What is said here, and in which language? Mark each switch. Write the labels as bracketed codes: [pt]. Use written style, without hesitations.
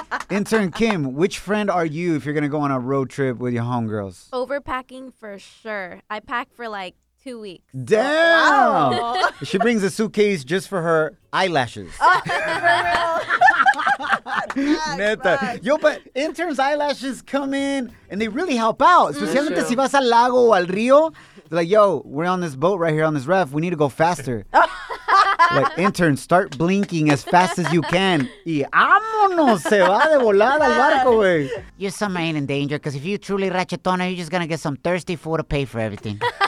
[en] Intern Kim, which friend are you if you're going to go on a road trip with your homegirls? Overpacking for sure. I pack for like 2 weeks. Damn. Wow. She brings a suitcase just for her eyelashes. For real. [es] Neta. [en] Yo, but intern's eyelashes come in and they really help out. Especially [es] si vas al lago o al río. [en] Like, yo, we're on this boat right here on this ref. We need to go faster. Like, intern, start blinking as fast as you can. [es] Y vámonos, se va de volada al barco, güey. [en] Your summer ain't in danger, because if you truly Ratchetona, you're just going to get some thirsty fool to pay for everything.